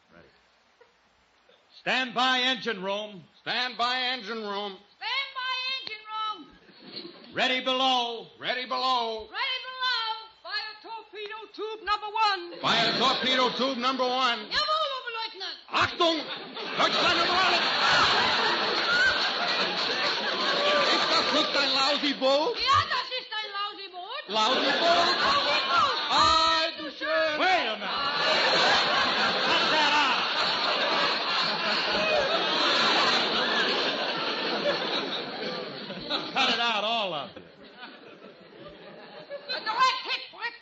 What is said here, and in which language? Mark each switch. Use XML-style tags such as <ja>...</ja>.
<en>Ready. Stand by engine room. Stand by engine room. Stand by engine room. Ready below. Ready below. Ready below. Tube number one. Fire torpedo tube number one.</en> <de>Jawohl, Achtung! Deutschland über alles! Ist das nicht ein</de> <en>lousy boat?</en> <de>Ja, das ist ein</de> <en>lousy boat. Lousy boat? Lousy boat!</en> <de>Ay, du schön!</de> <en>Wait a minute! Cut that out! about it. A direct hit, Fritz.</en>